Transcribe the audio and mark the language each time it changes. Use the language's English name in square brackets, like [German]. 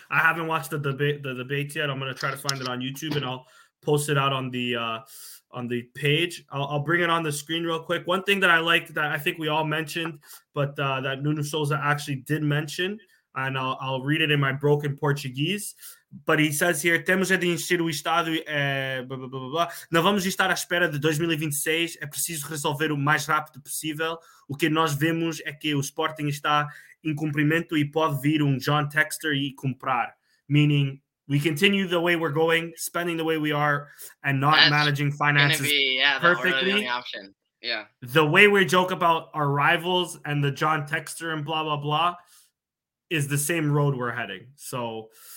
[English] I haven't watched the debate yet. I'm going to try to find it on YouTube and I'll post it out on the page. I'll bring it on the screen real quick. One thing that I liked that I think we all mentioned, but that Nuno Souza actually did mention, and I'll read it in my broken Portuguese. But he says here, [Portuguese] temos de encher o estádio, blah, blah, blah, blah, blah. Não vamos estar à espera de 2026, é preciso resolver o mais rápido possível. O que nós vemos é que o Sporting está em cumprimento e pode vir John Texter e comprar. [English] Meaning, we continue the way we're going, spending the way we are, and not That's managing finances gonna be, yeah, perfectly. The only option. Yeah. The way we joke about our rivals and the John Texter and blah, blah, blah, is the same road we're heading. So...